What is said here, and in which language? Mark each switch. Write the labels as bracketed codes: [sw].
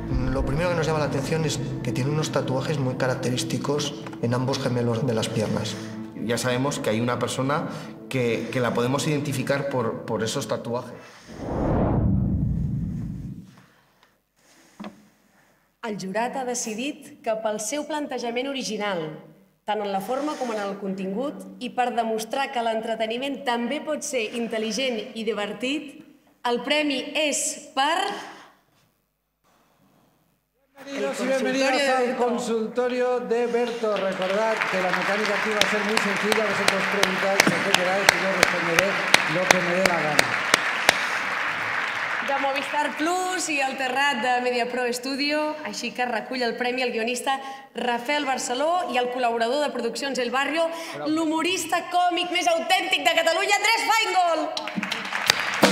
[es] Lo primero que nos llama la atención es que tiene unos tatuajes muy característicos en ambos gemelos de las piernas. Ya sabemos que hay una persona que la podemos identificar por esos tatuajes. [ca] El jurat ha decidit que pel seu plantejament original, tant en la forma com en el contingut, i per demostrar que l'entreteniment també pot ser intel·ligent i divertit, el premi és per... [es] Bienvenidos al consultorio de Berto. Recordad que la mecánica aquí va a ser muy sencilla. Vosotros preguntáis lo que queráis y yo responderé lo que me dé la gana. [ca] De Movistar Plus i el Terrat de MediaPro Studio, així que recull el premi el guionista Rafael Barceló i el col·laborador de produccions El Barrio, l'humorista còmic més autèntic de Catalunya, Andrés Feingold.